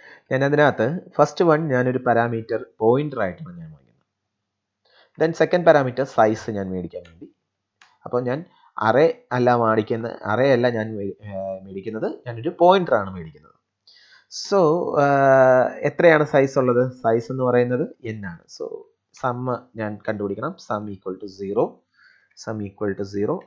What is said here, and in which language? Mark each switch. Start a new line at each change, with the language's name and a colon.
Malayalam: ഞാൻ അതിനകത്ത് first one ഞാൻ ഒരു പാരാമീറ്റർ പോയിന്റർ ആയിട്ടാണ് ഞാൻ വാങ്ങുന്നത്.
English: Then second parameter size
Malayalam: ഞാൻ മേടിക്കാൻ വേണ്ടി. അപ്പോൾ ഞാൻ അറേ അല്ല ഞാൻ മേടിക്കുന്നത്, ഞാനൊരു പോയിന്റർ ആണ് മേടിക്കുന്നത്. സോ എത്രയാണ് സൈസ് ഉള്ളത്? സൈസ് എന്ന് പറയുന്നത് എൻ ആണ്.
English: so sum
Malayalam: ഞാൻ കണ്ടുപിടിക്കണം.
English: Sum equal to zero, sum equal to zero.